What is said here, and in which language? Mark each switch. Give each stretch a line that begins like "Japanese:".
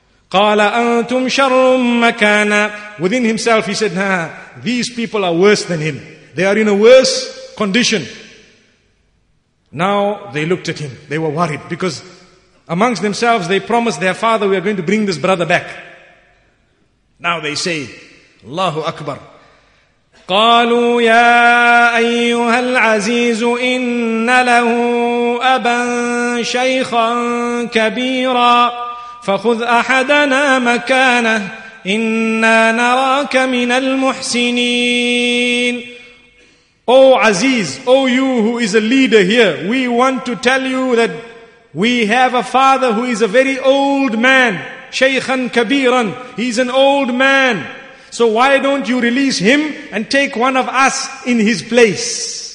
Arabic: قَالَ أَنْتُمْ شَرٌ مَكَانًا.
English: Within himself, he said, nah, these people are worse than him. They are in a worse condition. Now they looked at him. They were worried because amongst themselves, they promised their father, we are going to bring this brother back. Now they say, Allahu Akbar.
Arabic: قالوا يا أيها العزيز إن له أبا شيخا كبيرا فخذ أحدنا مكانه إنا نراك من المحسنين.
English: O Aziz, O you who is a leader here, we want to tell you that we have a father who is a very old man, Shaykhan Kabiran, he's an old man. So why don't you release him and take one of us in his place?